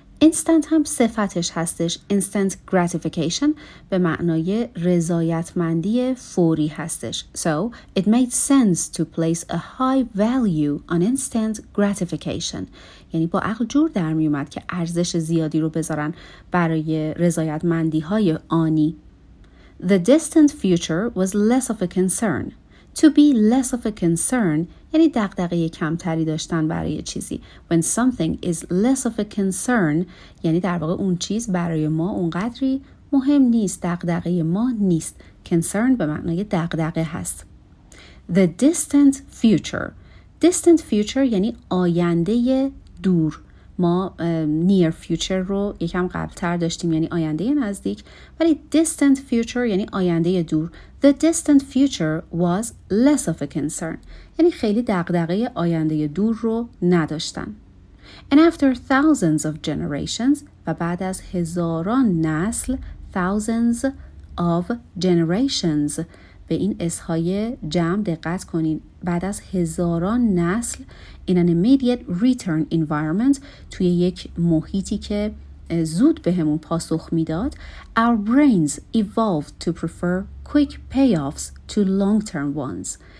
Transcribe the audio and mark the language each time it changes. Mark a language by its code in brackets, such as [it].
[fa] instant هم صفتش هستش. instant gratification به معنای رضایتمندی فوری هستش. [en] So it made sense to place a high value on instant gratification. [fa] یعنی با عقل جور در می اومد که ارزش زیادی رو بذارن برای رضایتمندی های آنی. [en] The distant future was less of a concern. To be less of a concern [fa] یعنی دغدغه کمتری داشتن برای چیزی. [en] When something is less of a concern [fa] یعنی در واقع اون چیز برای ما اونقدری مهم نیست، دغدغه ما نیست. Concern به معنای دغدغه هست. [en] The distant future. Distant future [fa] یعنی آینده دور. ما near future رو یکم قبلتر داشتیم، یعنی آینده نزدیک، ولی distant future یعنی آینده دور. [en] The distant future was less of a concern. [fa] یعنی خیلی دغدغه آینده دور رو نداشتن. [en] And after thousands of generations، [fa] و بعد از هزاران نسل، [en] thousands of generations، [fa] به این اسهای جمع دقت کنین. بعد از هزاران نسل [en] in an immediate return environment، [fa] توی یک محیطی که زود بهمون پاسخ میداد، [en] our brains evolved to prefer quick payoffs to long-term ones.